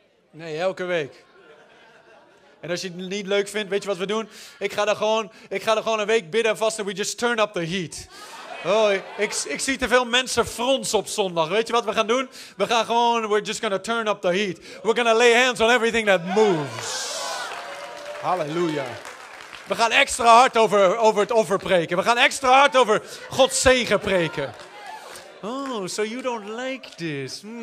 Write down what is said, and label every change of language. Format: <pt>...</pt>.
<nl>Nee, elke week. En als je het niet leuk vindt, weet je wat we doen? Ik ga er gewoon een week bidden en vasten.</nl> <en>We just turn up the heat.</en> <nl>Oh, ik zie te veel mensen frons op zondag. Weet je wat we gaan doen? We gaan gewoon,</nl> <en>we're just gonna turn up the heat. We're gonna lay hands on everything that moves.</en> <nl>Halleluja. We gaan extra hard over het offer preken. We gaan extra hard over Gods zegen preken.</nl> <en>Oh, so you don't like this.</en>